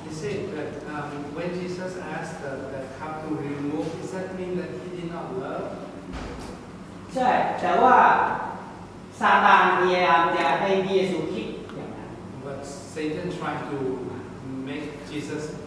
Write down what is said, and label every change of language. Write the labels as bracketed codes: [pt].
[en] He said that when Jesus asked the cup to remove, does that mean that he did not love? [th] ใช่แต่ว่าซาตานพยายามจะให้พระเยซูคิดอย่างนั้น [en] But Satan tried to make Jesus